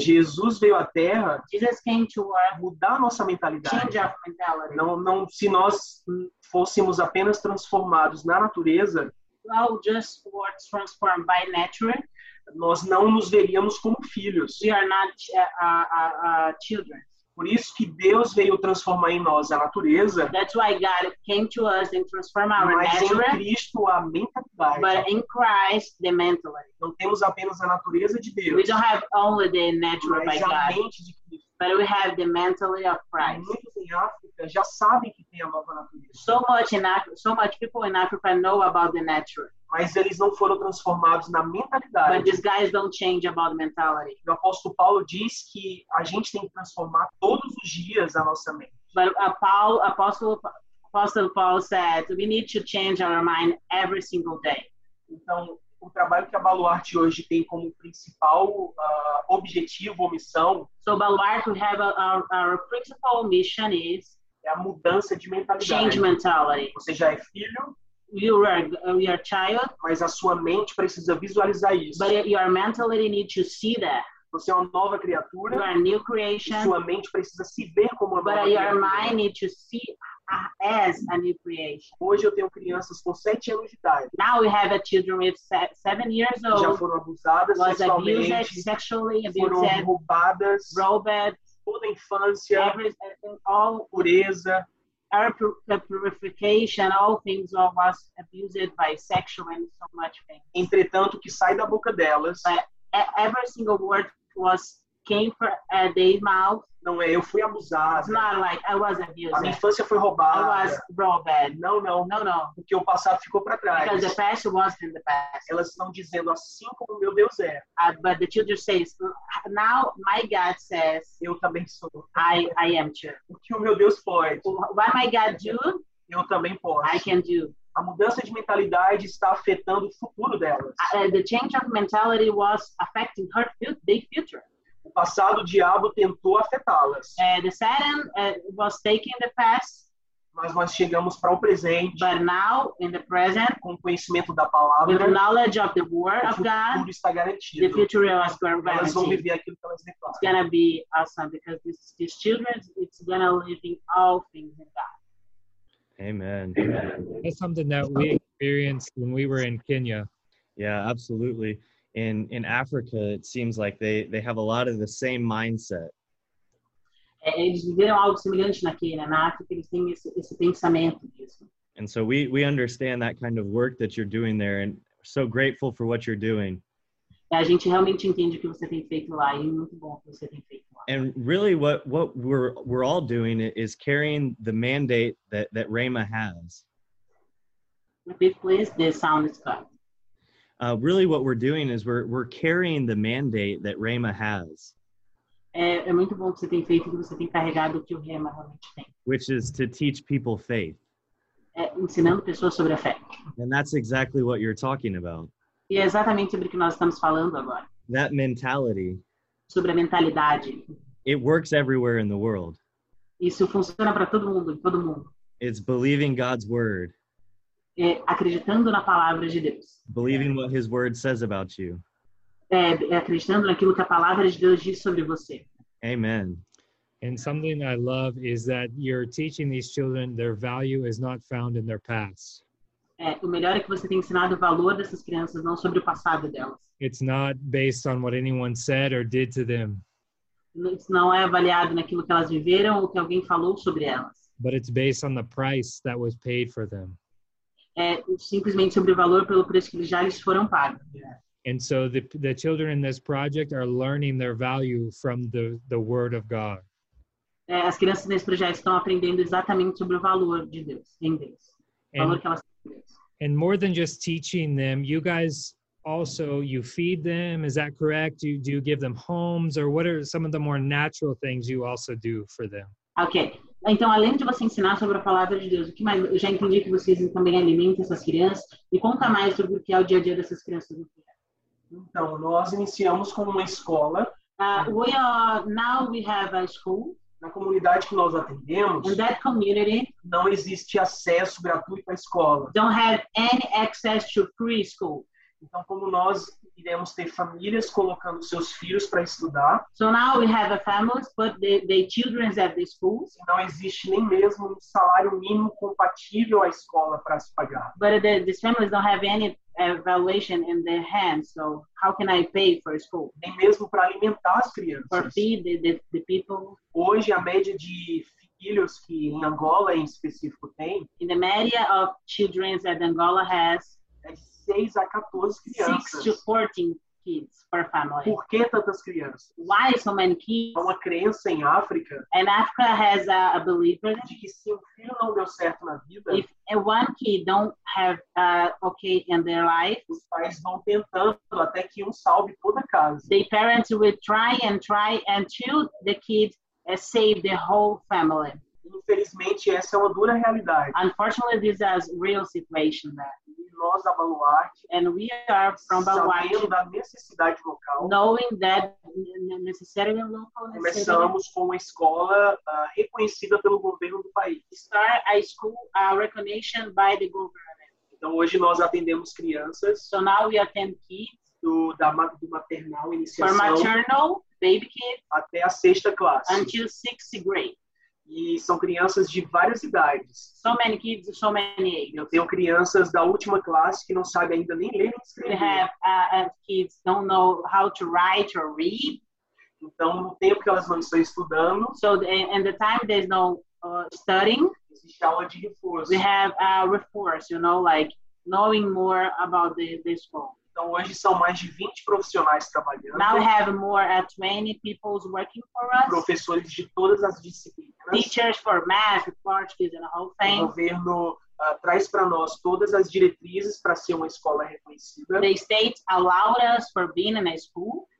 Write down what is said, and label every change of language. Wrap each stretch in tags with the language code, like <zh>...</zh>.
<pt>Jesus veio à Terra.</pt> <en>Jesus came to earth.</en> <pt>Mudar a nossa mentalidade.</pt> <en>Change of mentality.</en> <pt>Não, se nós fôssemos apenas transformados na natureza,</pt> <en>well, just were transformed by nature.</en> <pt>Nós não nos veríamos como filhos.</pt> <en>We are not children.</en> <pt>Por isso que Deus veio transformar em nós a natureza.</pt> <en>That's why God came to us and transformed our nature.</en> <pt>Mas em Cristo a mentalidade.</pt> <en>But in Christ the mentality.</en> <pt>Não temos apenas a natureza de Deus.</pt> <en>We don't have only the natural by God.</en> <pt>Mas a mente de Cristo.</pt> <en>But we have the mentality of Christ.</en> <pt>Muitos em África já sabem que tem a nova natureza.</pt> <en>So much people in Africa know about the nature.</en> <pt>Mas eles não foram transformados na mentalidade.</pt> <en>But these guys don't change about mentality.</en> <pt>O apóstolo Paulo diz que a gente tem que transformar todos os dias a nossa mente.</pt> <en>But Apostle Paul said we need to change our mind every single day.</en> <pt>Então, o trabalho que a Baluarte hoje tem como principal objetivo ou missão.</pt> <en>So, Baluarte, we have our principal mission is.</en> <pt>É a mudança de mentalidade.</pt> <en>Change mentality.</en> <pt>Você já é filho.</pt> <en>You are a child.</en> <pt>Mas a sua mente precisa visualizar isso.</pt> <en>But your mentality needs to see that.</en> <pt>Você é uma nova criatura.</pt> <en>You are a new creation.</en> <pt>Sua mente precisa se ver como uma</pt> <en>but</en> <pt>nova</pt> <en>your</en> <pt>criatura.</pt> <en>Mind needs to see. As a new creation.</en> <pt>Hoje eu tenho crianças com 7 anos de idade.</pt> <en>Now we have a children with 7 years old.</en> <pt>Já foram abusadas sexualmente.</pt> <en>Abused, sexually abused.</en> <pt>Foram roubadas.</pt> <en>Robbed.</en> <pt>toda a infância,</pt> <en>everything, all pureza, our purification, all things of us abused by sexual and so much things.</en> <pt>Entretanto, que sai da boca delas,</pt> <en>every single word was came from their mouth.</en> <pt>Não é, eu fui abusada.</pt> <en>It's not like I was abused.</en> <pt>A minha infância foi roubada.</pt> <en>I was robbed.</en> <pt>Não, não. Não, não. Porque o passado ficou para trás.</pt> <en>Because the past was in the past.</en> <pt>Elas estão dizendo assim como meu Deus é.</pt> <en>But the children say, now my God says,</en> <pt>eu também sou.</pt> <en>I am too.</en> <pt>O que o meu Deus pode.</pt> <en>What my God do,</en> <pt>eu também posso.</pt> <en>I can do.</en> <pt>A mudança de mentalidade está afetando o futuro delas.</pt> <en>The change of mentality was affecting her big future.</en> <pt>O passado, o diabo tentou afetá-las.</pt> <en>The Satan was taking the past.</en> <pt>Mas nós chegamos para o presente.</pt> <en>But now, in the present,</en> <pt>com o conhecimento da palavra,</pt> <en>with the knowledge of the word of God,</en> <pt>o futuro está garantido.</pt> <en>The future was guaranteed.</en> <pt>Elas vão viver aquilo que elas declaram.</pt> <en>It's going to be awesome because these children, it's going to live in all things in God. Amen. That's something that we experienced when we were in Kenya. Yeah, absolutely. In Africa, it seems like they have a lot of the same mindset.</en> <pt>Eles viveram algo semelhante na Quênia, na África, eles têm esse pensamento mesmo.</pt> <en>And so we understand that kind of work that you're doing there, and so grateful for what you're doing.</en> <pt>A gente realmente entende o que você tem feito lá, e muito bom o que você tem feito lá.</pt> <en>And really what we're all doing is carrying the mandate that Rhema has. Repeat, please, the sound is cut. Really what we're doing is we're carrying the mandate that Rhema has.</en> <pt>É muito bom o que você tem feito, que você tem carregado o que o Rhema realmente tem.</pt> <en>Which is to teach people faith.</en> <pt>Ensinando pessoas sobre a fé.</pt> <en>And that's exactly what you're talking about.</en> <pt>E é exatamente sobre o que nós estamos falando agora.</pt> <en>That mentality.</en> <pt>Sobre a mentalidade.</pt> <en>It works everywhere in the world.</en> <pt>Isso funciona para todo mundo, em todo mundo.</pt> <en>It's believing God's word.</en> <pt>É acreditando na palavra de Deus.</pt> <en>Believing what his word says about you.</en> <pt>É acreditando naquilo que a palavra de Deus diz sobre você.</pt> <en>Amen. And something I love is that you're teaching these children their value is not found in their past.</en> <pt>O melhor é que você tem ensinado o valor dessas crianças, não sobre o passado delas.</pt> <en>It's not based on what anyone said or did to them.</en> <pt>Isso não é avaliado naquilo que elas viveram ou que alguém falou sobre elas.</pt> <en>But it's based on the price that was paid for them.</en> <pt>É simplesmente sobre o valor pelo preço que já eles foram pagos.</pt> <en>And so the children in this project are learning their value from the word of God.</en> <pt>As crianças nesse projeto estão aprendendo exatamente sobre o valor de Deus, em Deus.</pt> <en>And more than just teaching them, you guys also, you feed them, is that correct? Do you give them homes, or what are some of the more natural things you also do for them? Okay.</en> <pt>Então, além de você ensinar sobre a palavra de Deus, o que mais? Eu já entendi que vocês também alimentam essas crianças, e conta mais sobre o que é o dia a dia dessas crianças. Então, nós iniciamos com uma escola.</pt> <en>We have a school.</en> <pt>Na comunidade que nós atendemos,</pt> <en>in that community,</en> <pt>não existe acesso gratuito à escola.</pt> <en>Don't have any access to preschool.</en> <pt>Então, como nós iremos ter famílias colocando seus filhos para estudar?</pt> <en>So now we have a families, but they children at the schools.</en> <pt>Não existe nem mesmo um salário mínimo compatível à escola para se pagar.</pt> <en>But these families don't have any evaluation in their hands, so how can I pay for school?</en> <pt>Nem mesmo para alimentar as crianças.</pt> <en>For feed the people.</en> <pt>Hoje a média de filhos que em Angola em específico tem.</pt> <en>In the media of children that Angola has.</en> <pt>É 6 a 14 crianças.</pt> <en>6 to 14 kids per family.</en> <pt>Por que tantas crianças?</pt> <en>Why so many kids?</en> <pt>Há uma crença em África.</pt> <en>And Africa has a believer.</en> <pt>De que se um filho não deu certo na vida.</pt> <en>If one kid don't have okay in their life.</en> <pt>Os pais vão tentando até que um salve toda a casa.</pt> <en>The parents will try until the kid save the whole family.</en> <pt>Infelizmente, essa é uma dura realidade.</pt> <en>Unfortunately, this is a real situation there.</en> <pt>Nós da Baluarte,</pt> <en>and we are from Baluarte,</en> <pt>sabendo da necessidade local,</pt> <en>knowing that necessary local</en> <pt>necessity, começamos com uma escola reconhecida pelo governo do país.</pt> <en>Start a school recognition by the government.</en> <pt>Então hoje nós atendemos crianças.</pt> <en>So now we attend kids</en> <pt>do maternal iniciação,</pt> <en>from maternal baby kid,</en> <pt>até a sexta classe,</pt> <en>until sixth grade.</en> <pt>E são crianças de várias idades.</pt> <en>So many kids, so many ages.</en> <pt>Eu tenho crianças da última classe que não sabem ainda nem ler nem escrever.</pt> <en>We have kids don't know how to write or read.</en> <pt>Então, no tempo que elas não estão estudando,</pt> <en>so in the time there's no studying,</en> <pt>existe aula de reforço.</pt> <en>We have a reforço, you know, like knowing more about the school.</en> <pt>Então, hoje são mais de 20 profissionais trabalhando.</pt> <en>Now we have more than 20 people working for us.</en> <pt>Professores de todas as disciplinas.</pt> <en>Teachers for math, Portuguese, and the whole thing.</en> <pt>O governo traz para nós todas as diretrizes para ser uma escola reconhecida.</pt> <en>The state allowed us for being in a school.</en>